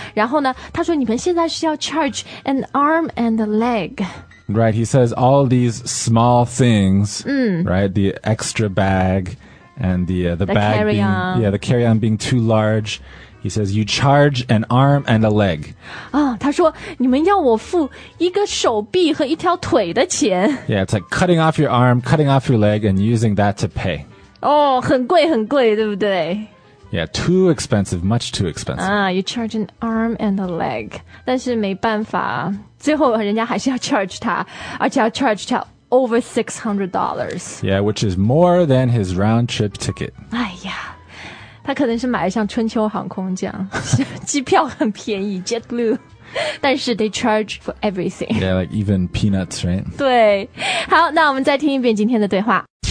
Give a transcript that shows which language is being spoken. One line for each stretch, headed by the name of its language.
Chinese: 然后呢，他说你们现在是要
English: charge an arm and a leg. Right, he says all these small things, right, the extra bag and the bag carry-on. Being, the carry-on being too large. He says you charge an arm and a leg.
Chinese: 他说你们要我付一个手臂和一条腿的钱。
English: Yeah, it's like cutting off your arm, cutting off your leg and using that to pay.
Chinese: 很贵很贵，对不对？
English: Yeah, too expensive, much too expensive. You charge an arm and a leg.
Chinese: 但是没办法，最后人家还是要 charge 他，而且要 charge 他
English: over $600. Yeah, which is more than his round trip ticket.
Chinese: 哎呀，他可能是买了像春秋航空这样，机票很便宜 ,JetBlue. 但是
English: they charge for everything. Yeah, like even peanuts, right?
Chinese: 对。好，那我们再听一遍今天的对话。